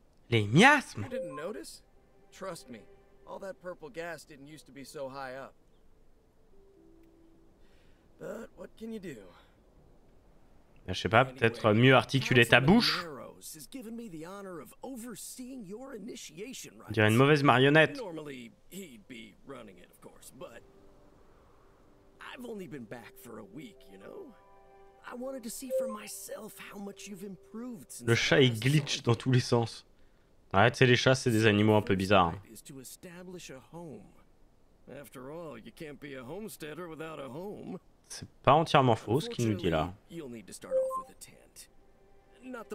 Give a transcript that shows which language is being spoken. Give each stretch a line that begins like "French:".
French: Les miasmes.
English: You didn't notice? Trust me, all that purple gas didn't used to be so high up. But what can you do?
French: Je sais pas, peut-être mieux articuler ta bouche.
English: Given me the honor of overseeing your initiation rites.
French: Dirait une mauvaise marionnette.
English: Normally, he'd be running it, of course, but I've only been back for a week, you know. I wanted to see for myself how much you've improved since.
French: Le chat il glitch dans tous les sens. Ouais, tu sais, les chats, c'est des animaux un peu bizarres. C'est pas entièrement faux ce qu'il nous dit là.
English: Nah.